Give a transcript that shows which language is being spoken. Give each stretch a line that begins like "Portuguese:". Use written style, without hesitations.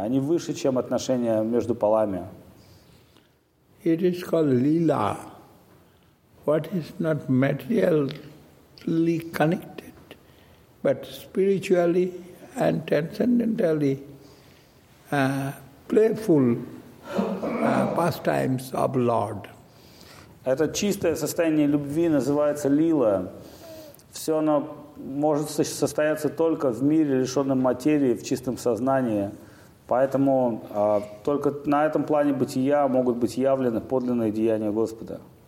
Russian: Они выше, чем отношения между полами.
English: It is called lila. What is not materially connected, but spiritually and transcendentally playful pastimes of Lord.
Russian: Это чистое состояние любви называется лила. Все оно может состояться только в мире, лишенном материи, в чистом сознании. Поэтому только на этом плане бытия могут быть явлены подлинные деяния Господа.